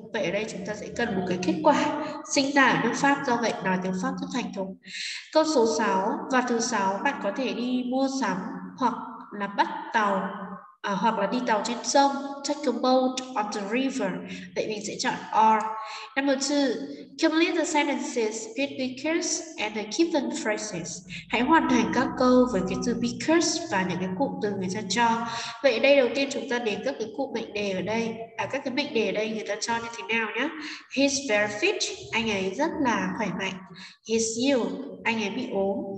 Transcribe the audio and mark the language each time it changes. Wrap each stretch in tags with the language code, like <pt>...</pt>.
<vi>Vậy ở đây chúng ta sẽ cần một cái kết quả. Sinh ra ở nước Pháp, do vậy nói tiếng Pháp rất thành thục. Câu số 6 và thứ 6, bạn có thể đi mua sắm hoặc là bắt tàu. Hoặc là đi tàu trên sông, take a boat on the river. Vậy mình sẽ chọn or.</vi> <en>Number 2, complete the sentences with because and the given phrases.</en> <vi>Hãy hoàn thành các câu với cái từ because và những cái cụm từ người ta cho. Vậy đây đầu tiên chúng ta đến các cái cụm mệnh đề ở đây. Các cái mệnh đề ở đây người ta cho như thế nào nhá?</vi> <en>He's very fit,</en> <vi>anh ấy rất là khỏe mạnh.</vi> <en>He's ill,</en> <vi>anh ấy bị ốm.</vi>